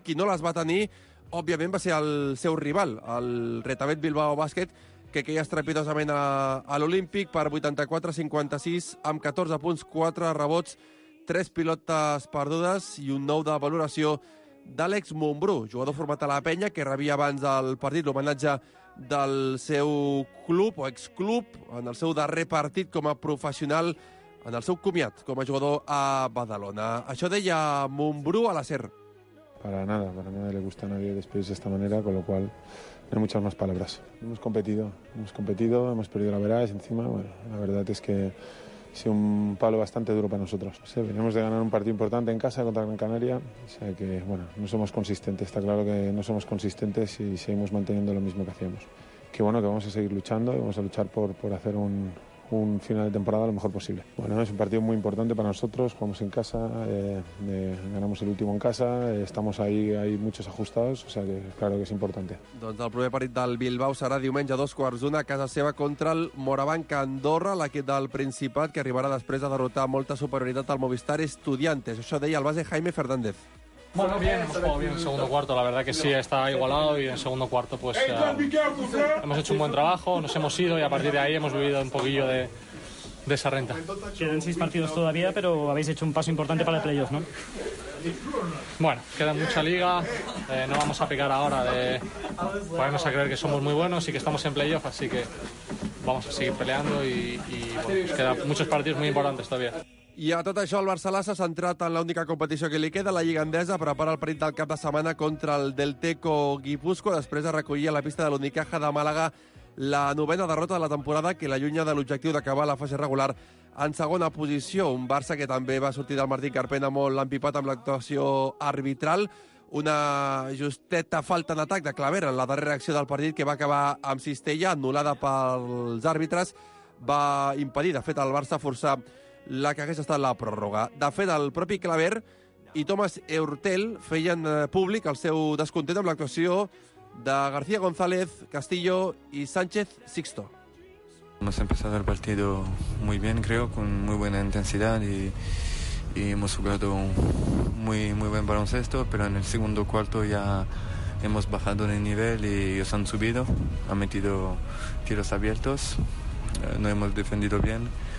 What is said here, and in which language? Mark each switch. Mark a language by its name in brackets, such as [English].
[Catalan] Qui no les va tenir, òbviament, va ser el seu rival, el Retamet Bilbao Basket, que queia estrepitosament a l'Olímpic per 84-56, amb 14 punts, 4 rebots, 3 pilotes perdudes i un 9 de valoració d'Àlex Mumbrú, jugador format a la penya, que rebia abans del partit l'homenatge del seu club o exclub en el seu darrer partit com a professional, en el seu comiat com a jugador a Badalona. Això deia Mumbrú a la SER. [Spanish] Para nada le gusta a nadie despedirse de esta manera, con lo cual no hay muchas más palabras. Hemos competido, hemos perdido la verás, encima, bueno, la verdad es que ha sido un palo bastante duro para nosotros. O sea, venimos de ganar un partido importante en casa contra Gran Canaria, o sea que, bueno, no somos consistentes, está claro que no somos consistentes y seguimos manteniendo lo mismo que hacíamos. Que bueno, que vamos a seguir luchando y vamos a luchar por hacer un final de temporada lo mejor posible. Bueno, es un partido muy importante para nosotros, jugamos en casa, ganamos el último en casa, estamos ahí, hay muchos ajustados, o sea que claro que es importante. [Catalan] Doncs el primer partit del Bilbao serà diumenge a 12:15 a casa seva contra el Morabanc Andorra, l'equip del Principat, que arribarà després de derrotar molta superioritat al Movistar Estudiantes. Això deia el base Jaime Fernández. [Spanish] Bueno, bien, hemos jugado bien en segundo cuarto, la verdad que sí, está igualado y en segundo cuarto pues hemos hecho un buen trabajo, nos hemos ido y a partir de ahí hemos vivido un poquillo de esa renta. Quedan 6 partidos todavía, pero habéis hecho un paso importante para el playoff, ¿no? Bueno, queda mucha liga, no vamos a picar ahora, podemos a creer que somos muy buenos y que estamos en playoff, así que vamos a seguir peleando y bueno, pues quedan muchos partidos muy importantes todavía. [Catalan] I a tot això, el Barcelona s'ha centrat en l'única competició que li queda, la Lliga Endesa, prepara el partit del cap de setmana contra el Delteco Guipúzcoa, després de recollir a la pista de l'Unicaja de Màlaga la novena derrota de la temporada, que l'allunya de l'objectiu d'acabar la fase regular en segona posició. Un Barça que també va sortir del Martín Carpena molt empipat amb l'actuació arbitral. Una justeta falta en atac de Clavera en la darrera acció del partit, que va acabar amb cistella, anul·lada pels àrbitres, va impedir, de fet, el Barça forçar la que hagués estat la pròrroga. De fet, el propi Claver i Thomas Eurtel feien públic el seu descontent amb l'actuació de García González, Castillo i Sánchez Sixto. [Spanish] Hemos empezado el partido muy bien, creo, con muy buena intensidad y hemos jugado muy, muy buen baloncesto, pero en el segundo cuarto ya hemos bajado de nivel y ellos han subido, han metido tiros abiertos, no hemos defendido bien.